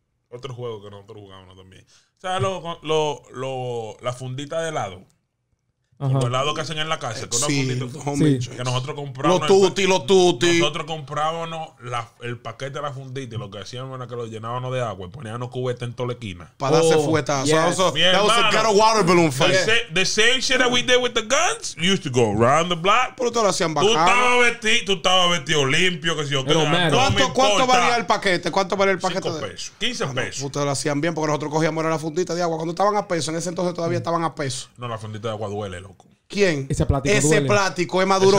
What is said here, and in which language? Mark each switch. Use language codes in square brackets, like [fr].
[es] Otro juego que nosotros jugábamos también. ¿Sabes lo la fundita de helado? Ajá. Los helados que hacen en la casa. Con sí, fundita, homie, sí. Que nosotros comprábamos. Los tuti, los tuti. Nosotros comprábamos el paquete de la fundita. Y lo que hacíamos era que lo llenábamos de agua. Y poníamos cubeta en toda la esquina. Para darse fuetazo. [en] Yes. So, that hermano, was a ghetto water balloon fight. The same shit that we did with the guns. You used to go around the block. [es] Pero te lo hacían bacano. Tú estabas vestido limpio. Que si yo quería, ¿Cuánto valía el paquete? ¿Cuánto valía el paquete? 5 pesos. 15 pesos. Ustedes lo hacían bien porque nosotros cogíamos la fundita de agua. Cuando estaban a peso. En ese entonces todavía estaban a peso. No, la fundita de agua duele. ¿Quién? Ese plático. Ese duele. Plático es más duro